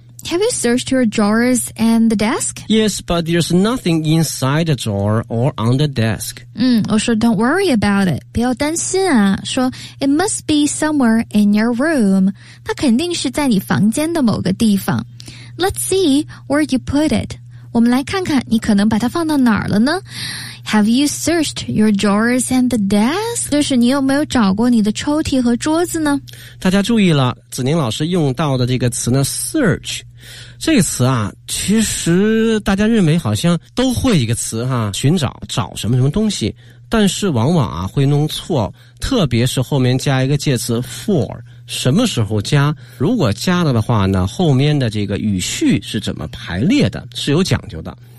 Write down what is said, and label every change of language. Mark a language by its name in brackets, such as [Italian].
[English] Have you searched your drawers and the desk? Yes, but there's nothing inside the drawer or on the desk. [Chinese] 我说 [English] don't worry about it. [Chinese] 不要担心啊。说 [English] it must be somewhere in your room. [Chinese] 它肯定是在你房间的某个地方。 [English] Let's see where you put it. [Chinese] 我们来看看你可能把它放到哪儿了呢？ [English] Have you searched your drawers and the desk? [Chinese] 就是你有没有找过你的抽屉和桌子呢？大家注意了，子宁老师用到的这个词呢 search 这个词啊，其实大家认为好像都会一个词哈，寻找，找什么什么东西，但是往往啊会弄错，特别是后面加一个介词 for， 什么时候加，如果加了的话呢，后面的这个语序是怎么排列的是有讲究的。